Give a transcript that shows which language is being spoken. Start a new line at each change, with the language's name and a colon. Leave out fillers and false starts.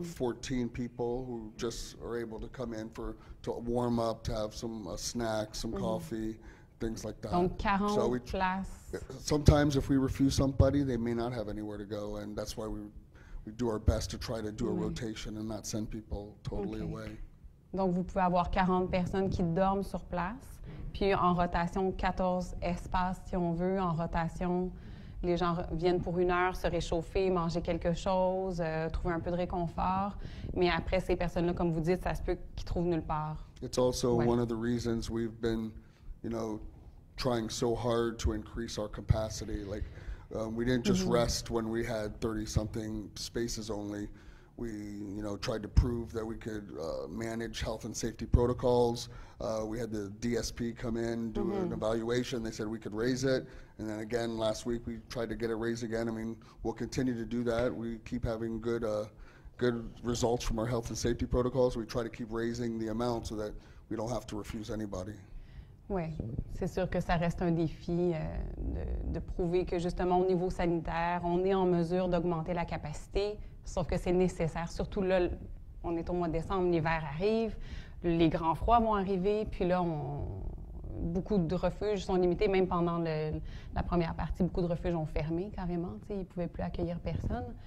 English: of 14 people who just are able to come in to warm up, to have some snacks, some mm-hmm. coffee, things like that.
French: Donc 40
English: so sometimes if we refuse somebody, they may not have anywhere to go, and that's why we do our best to try to do mm-hmm. a rotation and not send people totally okay. away.
French: Donc vous pouvez avoir 40 personnes qui dorment sur place, puis en rotation 14 espaces si on veut, en rotation, les gens viennent pour une heure se réchauffer, manger quelque chose, trouver un peu de réconfort, mais après ces personnes-là, comme vous dites, ça se peut qu'ils trouvent nulle part.
English: It's also one of the reasons we've been you know, trying so hard to increase our capacity. Like, we didn't just mm-hmm. rest when we had 30-something spaces only. We, you know, tried to prove that we could manage health and safety protocols. We had the DSP come in, do mm-hmm. an evaluation. They said we could raise it. And then again, last week, we tried to get it raised again. I mean, we'll continue to do that. We keep having good good results from our health and safety protocols. We try to keep raising the amount so that we don't have to refuse anybody.
French: Oui, c'est sûr que ça reste un défi de prouver que justement au niveau sanitaire, on est en mesure d'augmenter la capacité, sauf que c'est nécessaire. Surtout là, on est au mois de décembre, l'hiver arrive, les grands froids vont arriver, puis là, beaucoup de refuges sont limités, même pendant la première partie, beaucoup de refuges ont fermé carrément, tu sais, ils ne pouvaient plus accueillir personne.